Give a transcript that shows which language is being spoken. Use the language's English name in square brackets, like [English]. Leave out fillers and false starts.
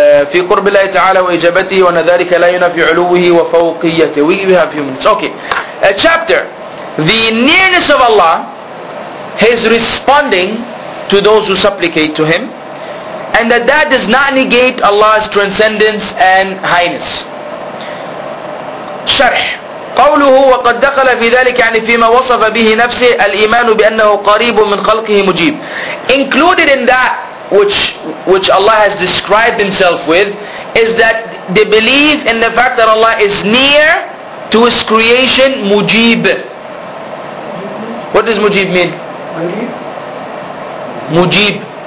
[Arabic] في قرب الله تعالى وإجابته وأن ذلك لا ينفي علوه وفوقيته. [English] We have a few minutes. Okay. A chapter. The nearness of Allah, His responding to those who supplicate to Him, and that does not negate Allah's transcendence and highness. [Arabic] شرح. قوله وقد دخل في ذلك يعني فيما وصف به نفسه الإيمان بأنه قريب من خلقه مجيب. [English] Included in that which Allah has described Himself with is that they believe in the fact that Allah is near to His creation, Mujib. What does Mujib mean? [Arabic] Mujib.